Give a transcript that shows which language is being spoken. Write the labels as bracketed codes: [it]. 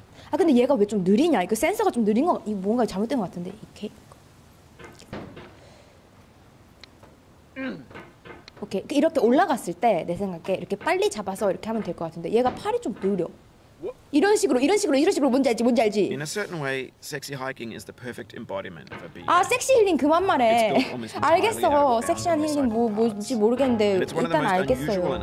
[ko] 아, 근데 얘가 왜 좀 느리냐? 이거 센서가 좀 느린 거, 이 뭔가 잘못된 것 같은데? 이렇게? 오케이, 이렇게 올라갔을 때 내 생각에 이렇게 빨리 잡아서 이렇게 하면 될 것 같은데 얘가 팔이 좀 느려. 이런 식으로, 이런 식으로, 이런 식으로. 뭔지 알지, 뭔지 알지? [en] In a certain way, sexy hiking is the perfect embodiment of a being. [ko] 아, 섹시 힐링 그만 말해. 알겠어. 섹시한 힐링 뭔지 모르겠는데 일단 알겠어요.